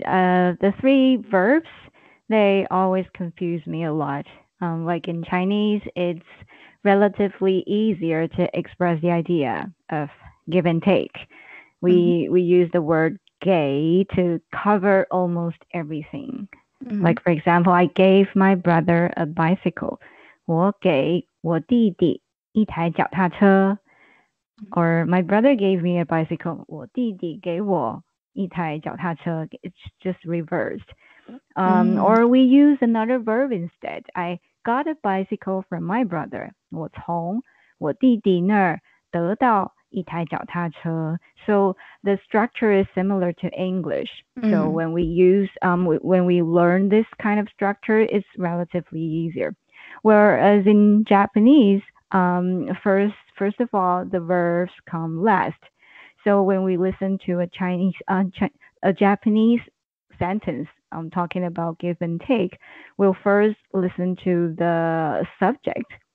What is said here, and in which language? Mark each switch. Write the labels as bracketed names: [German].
[English] The three verbs, they always confuse me a lot. Like in Chinese, it's relatively easier to express the idea of give and take. We use the word gay to cover almost everything. Mm-hmm. Like, for example, I gave my brother a bicycle. [Chinese] 我给我弟弟一台脚踏车. [English] Or my brother gave me a bicycle. [Chinese] 我弟弟给我一台脚踏车. [English] It's just reversed. Or we use another verb instead. I got a bicycle from my brother. [Chinese] 我从我弟弟那儿得到 一台脚踏车. [English] So the structure is similar to English. Mm-hmm. So when we use, when we learn this kind of structure, it's relatively easier. Whereas in Japanese, first of all, the verbs come last. So when we listen to a Chinese, a Japanese sentence, talking about give and take, we'll first listen to the subject.